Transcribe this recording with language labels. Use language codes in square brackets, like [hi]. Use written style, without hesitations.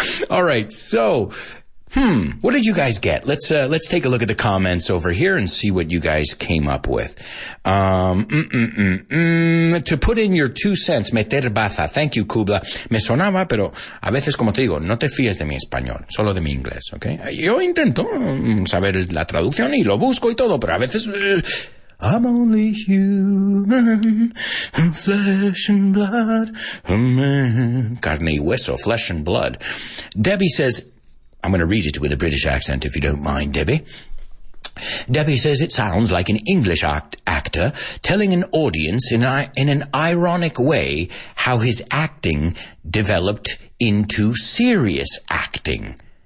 [en] All right, so, what did you guys get? Let's take a look at the comments over here and see what you guys came up with. To put in your two cents, [es] meter baza. [en] Thank you, Kubla. [es] Me sonaba, pero a veces, como te digo, no te fíes de mi español, solo de mi inglés, okay? Yo intento saber la traducción y lo busco y todo, pero a veces... [en] I'm only human, flesh and blood, a man. [es] Carne y hueso, [en] flesh and blood. Debbie says, I'm going to read it with a British accent if you don't mind, Debbie. Debbie says it sounds like an English actor telling an audience in an ironic way how his acting developed into serious acting.